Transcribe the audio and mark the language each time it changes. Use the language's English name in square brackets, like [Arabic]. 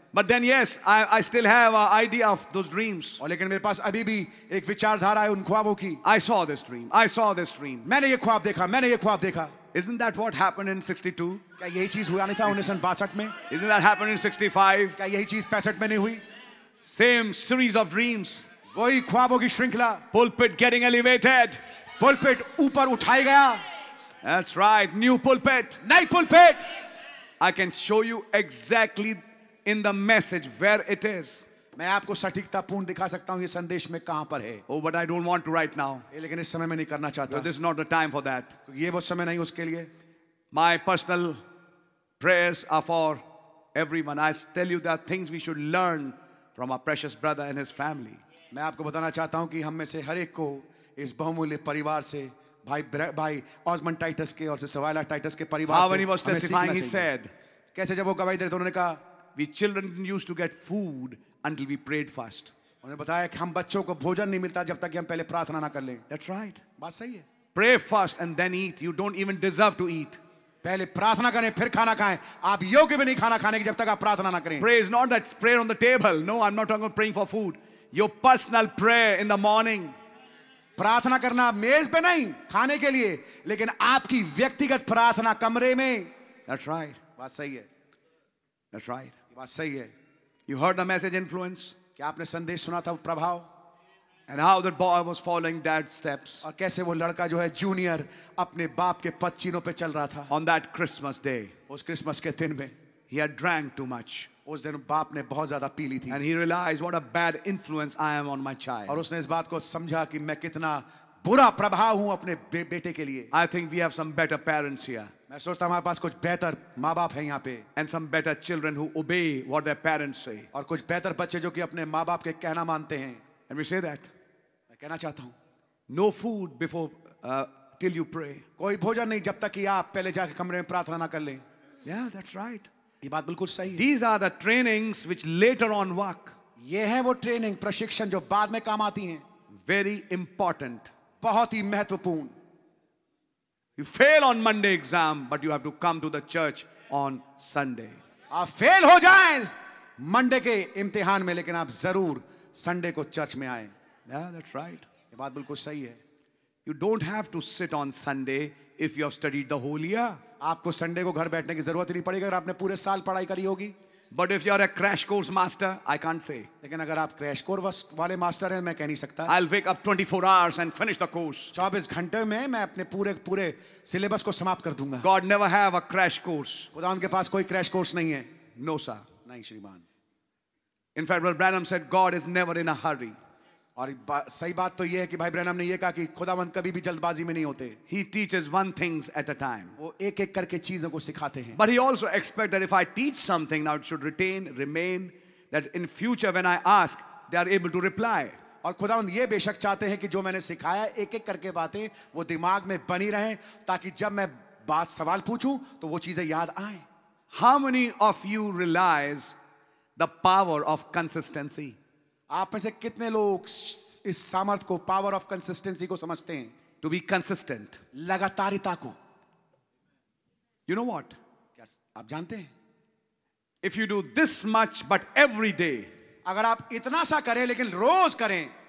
[English] But then yes, I still have an idea of those dreams. [Hindi] और लेकिन मेरे पास अभी भी एक विचारधारा है उन ख्वाबों की. [English] I saw this dream. [Hindi] मैंने ये ख्वाब देखा. [English] Isn't that what happened in 62? [Hindi] क्या यही चीज हुआ नहीं था 1962 में? [English] Isn't that happened in 65? [Hindi] क्या यही चीज 65 में नहीं हुई? [English] Same series of dreams. [Hindi] वही ख्वाबों की श्रृंखला. [English] Pulpit getting elevated. [Hindi] Pulpit ऊपर उठाया गया. [English] That's right. New pulpit. [Hindi] नई pulpit. [English] I can show you exactly. In the message, where it is. [Hindi] मैं आपको सटीकता पूर्ण दिखा सकता हूँ ये संदेश में कहाँ पर है. [English] Oh, but I don't want to write now. [Hindi] लेकिन इस समय मैं नहीं करना चाहता. [English] This is not the time for that. [Hindi] ये वो समय नहीं उसके लिए. [English] My personal prayers are for everyone. I tell you there are things we should learn from our precious brother and his family. [Hindi] मैं आपको बताना चाहता हूँ कि हम में से हर एक को इस बहुमूल्य परिवार से भाई ऑस्मन टाइटस के और सिस्टर वायला टाइटस के परिवार. [English] When he was testifying, he said. [Hindi] कैसे जब वो गवाही दे रहे थे उन्होंने कहा. [English] We children used to get food until we prayed first. [Hindi] उन्हें बताया कि हम बच्चों को भोजन नहीं मिलता जब तक कि हम पहले प्रार्थना ना कर लें. [English] That's right. [Hindi] बात सही है. [English] Pray first and then eat. You don't even deserve to eat. [Hindi] पहले प्रार्थना करें फिर खाना खाएं. आप योग्य भी नहीं खाना खाने की जब तक आप प्रार्थना ना करें. [English] Pray is not that prayer on the table. No, I'm not talking about praying for food. Your personal prayer in the morning. [Hindi] प्रार्थना करना मेज पे नहीं खाने के लिए लेकिन आपकी व्यक्तिगत प्रार्थना कमरे में. [English] That's right. [Hindi] बात सही है. [English] That's right. [Hindi] बात सही है. [English] You heard the message influence? [Hindi] क्या आपने संदेश सुना था प्रभाव? [English] And how that boy was following dad's steps. [Hindi] और कैसे वो लड़का जो है junior अपने बाप के पदचिन्हों पे चल रहा था. [English] On that Christmas day. [Hindi] उस क्रिसमस के दिन में. [English] He had drank too much. [Hindi] उस दिन बाप ने बहुत ज़्यादा पी ली थी. [English] And he realized what a bad influence I am on my child. [Hindi] और उसने इस बात को समझा कि मैं कितना बुरा प्रभाव हूँ अपने बेटे के लिए. [English] I think we have some better parents here. [Hindi] मैं सोचता हूँ हमारे पास कुछ बेहतर माँबाप हैं यहाँ पे. [English] And some better children who obey what their parents say. [Hindi] और कुछ बेहतर बच्चे जो कि अपने माँबाप के कहना मानते हैं. [English] And we say that. [Hindi] मैं कहना चाहता हूँ. [English] No food before till you pray. [Hindi] कोई भोजन नहीं जब तक कि आप पहले जाके कमरे में प्रार्थना ना कर लें. [English] Yeah, that's right. [Hindi] ये बात बिल्कुल सही है. [English] These are the trainings which later on work. [Hindi] ये हैं वो ट्रेनिंग प्रशिक्षण जो बाद में काम आती हैं. [English] Very important. [Hindi] बहुत ही महत्वपूर्ण. [English] You fail on Monday exam, but you have to come to the church on Sunday. [Hindi] आप फेल हो जाएं मंडे के इम्तिहान में, लेकिन आप जरूर संडे को चर्च में आए. [English] Yeah, that's right. [Hindi] ये बात बिल्कुल सही है. [English] You don't have to sit on Sunday if you have studied the whole year. [Hindi] आपको संडे को घर बैठने की जरूरत नहीं पड़ेगी अगर आपने पूरे साल पढ़ाई करी होगी. [English] But if you are a crash course master, I can't say. [Hindi] लेकिन अगर आप क्रैश कोर्स वाले मास्टर हैं, मैं कह नहीं सकता. [English] I'll wake up 24 hours and finish the course. [Hindi] 24 घंटे में मैं अपने पूरे सिलेबस को समाप्त कर दूंगा. [English] God never have a crash course. [Hindi] खुदा उनके पास कोई क्रैश कोर्स नहीं है. [English] No sir. [Hindi] नहीं श्रीमान. [English] In fact, Brother Branham said God is never in a hurry. [Hindi] और सही बात तो यह है कि भाई ब्रैनम ने यह कहा कि खुदावंद कभी भी जल्दबाजी में नहीं होते. [English] He teaches one things at a time. [Hindi] वो एक-एक करके चीजों को सिखाते हैं. [English] But he also expects that if I teach something, now it should remain that in future when I ask, they are able to reply. [Hindi] और खुदावंद ये बेशक चाहते हैं कि जो मैंने सिखाया एक-एक करके बातें वो दिमाग में बनी रहें ताकि जब मैं बात सवाल पूछूं तो वो चीजें याद आए. [English] How many of you realize the power of consistency? [Hindi] आप में से कितने लोग इस सामर्थ को [English] power of consistency [Hindi] को समझते हैं. [English] to be consistent [Hindi] लगातारिता को. [English] you know what [Hindi] क्या आप जानते हैं. [English] if you do this much but every day [Hindi] अगर आप इतना सा करें लेकिन रोज करें.